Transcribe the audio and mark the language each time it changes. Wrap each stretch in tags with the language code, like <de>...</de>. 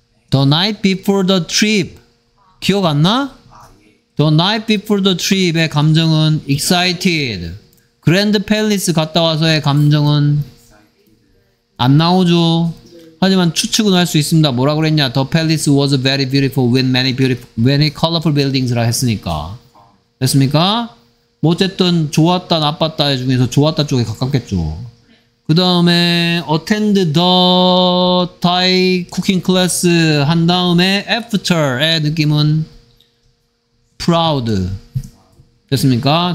<en>the night before the trip</en> <ko>기억 안 나?</ko> <en>the night before the trip</en> <ko>의 감정은 excited 그랜드 팰리스 갔다 와서의 감정은 안 나오죠. 하지만 추측은 할 수 있습니다. 뭐라 그랬냐?</ko> <en>The palace was very beautiful with many beautiful, many colorful buildings라 했으니까.</en> <ko>됐습니까? 뭐 어쨌든 좋았다, 나빴다 중에서 좋았다 쪽에 가깝겠죠. 그 다음에</ko> <en>attend the Thai cooking class</en> <ko>한 다음에 after의 느낌은 proud. 됐습니까?</ko>